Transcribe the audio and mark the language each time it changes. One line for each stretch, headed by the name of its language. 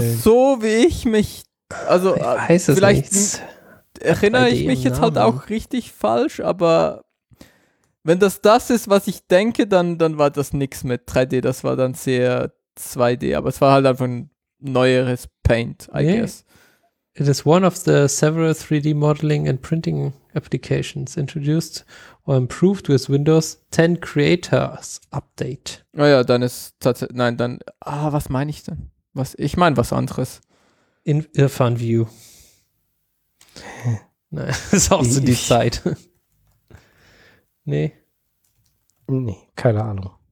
German: Also so wie ich mich, also ich weiß es vielleicht nichts. Erinnere ich mich jetzt halt auch richtig falsch, aber wenn das ist, was ich denke, dann war das nichts mit 3D, das war dann sehr 2D, aber es war halt einfach ein neueres Paint,
English: I guess. It is one of the several 3D modeling and printing applications introduced or improved with Windows 10 Creators Update.
German: Naja, dann ist tatsächlich, nein, dann, was meine ich denn? Was, ich meine was anderes. In Irfan View. Nein, ist auch so die Zeit. Nee, keine Ahnung.